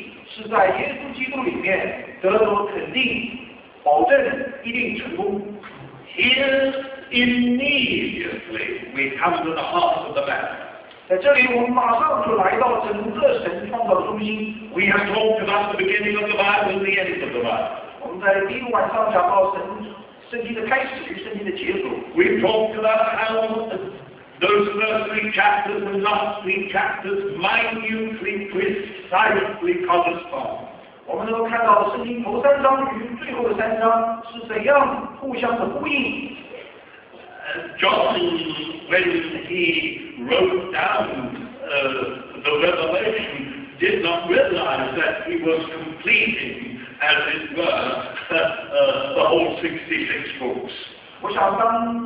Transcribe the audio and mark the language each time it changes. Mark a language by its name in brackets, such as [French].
[Chinese] 这一节圣经是非常奇妙的语句，讲到神定旨意是在耶稣基督里面得到肯定。保证一定成功。 [English] Here immediately we come to the heart of the matter. [Chinese] 在这里我们马上就来到整个神创造中心。 [English] We have talked about the beginning of the Bible and the end of the Bible. [Chinese] 我们在第一个晚上讲到圣经的开始与圣经的结束。 [English] We've talked about how those first three chapters and last three chapters minutely, precisely correspond. [Chinese] 我们能够看到圣经头三章与最后的三章是怎样互相的呼应。 [English] John, when he wrote down the revelation, did not realize that he was completing, as it were, the whole 66 books.